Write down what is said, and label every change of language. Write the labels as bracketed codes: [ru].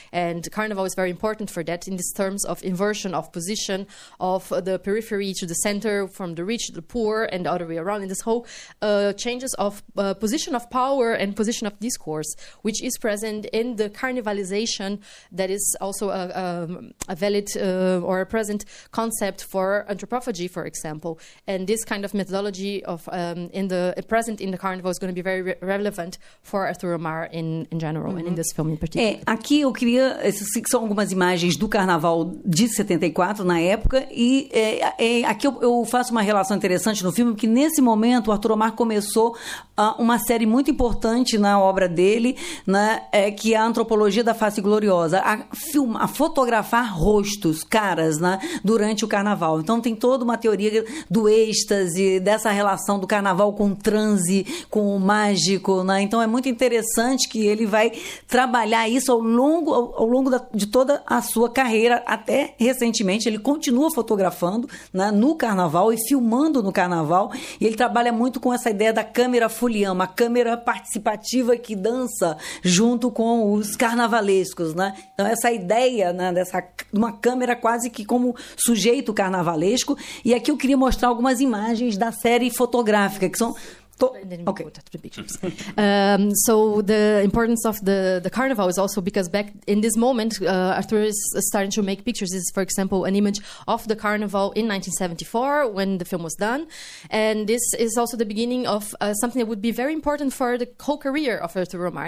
[en] And carnival is very important for that, in this terms of inversion of position of the periphery to the center, from the rich to the poor and the other way around, in this whole changes of position of power and position of discourse, which is present in the carnivalization, that is also a valid or a present concept for anthropophagy, for example. And this kind of methodology of present in the carnival is going to be very relevant for Arthur Omar in general, uh-huh, and in this film in particular. [pt] Aqui eu queria, são algumas imagens do carnaval de 74, na época, e aqui eu faço uma relação interessante no filme, porque nesse momento o Arthur Omar começou uma série muito importante na obra dele, né, que é a Antropologia da Face Gloriosa, a fotografar rostos, caras, né, durante o carnaval. Então tem toda uma teoria do êxtase, dessa relação do carnaval com o transe, com o mágico, né? Então é muito interessante que ele vai trabalhar isso ao longo de toda a sua carreira. Até recentemente ele continua fotografando, né, no carnaval e filmando no carnaval, e ele trabalha muito com essa ideia da câmera folião, uma câmera participativa que dança junto com os carnavalescos, né? Então essa ideia, né, dessa uma câmera quase que como sujeito carnavalesco. E aqui eu queria mostrar algumas imagens da série fotográfica que são... [en] So the importance of the carnival is also because back in this moment, Arthur is starting to make pictures. This is, for example, an image of the carnival in 1974 when the film was done. And this is also the beginning of something that would be very important for the whole career of Arthur Omar.